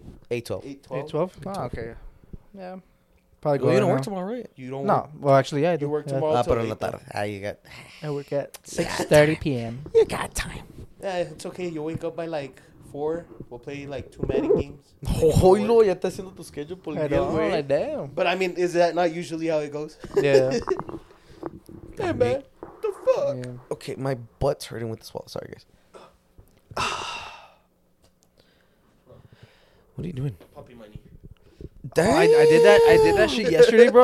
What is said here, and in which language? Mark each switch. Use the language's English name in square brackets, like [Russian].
[English] 8:12. Okay. Yeah. Probably going. You don't work tomorrow, right? You don't. No. Work. Well, actually, yeah, I do. You work tomorrow. Till 8:30. I work at 6:30 p.m. You got time. Yeah, it's okay. You wake up by like 4. We'll play like 2 Madden games. [Spanish] Oh, no, ya está haciendo tu schedule por el día, güey. [English] Like, damn. But I mean, is that not usually how it goes? Yeah. Hey, man. What the fuck? Yeah. Okay, my butt's hurting with the swallow. Sorry, guys. What are you doing? Puppy money. Damn. Oh, I did that shit yesterday, bro.